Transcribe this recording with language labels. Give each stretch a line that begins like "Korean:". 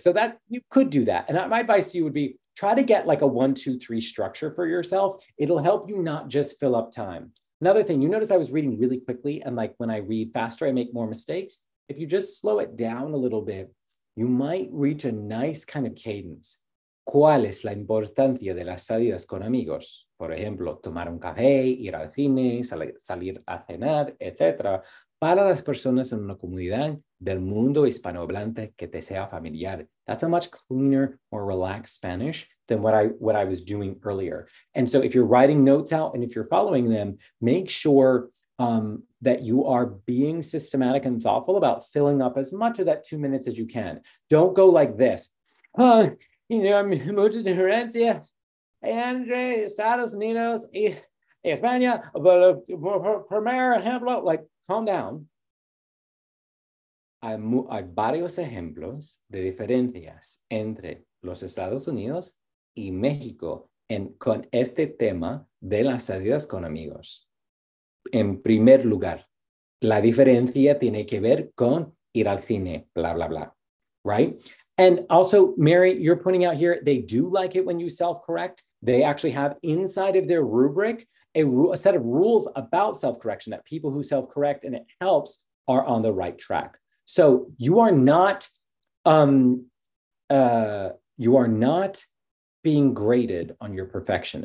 English: So that you could do that. And my advice to you would be, try to get like a 1-2-3 structure for yourself. It'll help you not just fill up time. Another thing, you notice I was reading really quickly, and like when I read faster, I make more mistakes. If you just slow it down a little bit, you might reach a nice kind of cadence.
Spanish: ¿Cuál es la importancia de las salidas con amigos? Por ejemplo, tomar un café, ir al cine, salir a cenar, etc. Para las personas en una comunidad del mundo hispanohablante que te sea familiar.
English: That's a much cleaner, more relaxed Spanish than what I was doing earlier. And so if you're writing notes out and if you're following them, make sure that you are being systematic and thoughtful about filling up as much of that 2 minutes as you can. Don't go like this.
Spanish: Muchas gracias,
English: André, Estados Unidos, España, but
Spanish: primer ejemplo,
English: like, calm down.
Spanish: Hay varios ejemplos de diferencias entre los Estados Unidos y México con este tema de las salidas con amigos. En primer lugar, la diferencia tiene que ver con ir al cine, bla, bla, bla, right?
English: And also, Mary, you're pointing out here, they do like it when you self-correct. They actually have inside of their rubric a set of rules about self-correction that people who self-correct and it helps are on the right track. So you are not being graded on your perfection.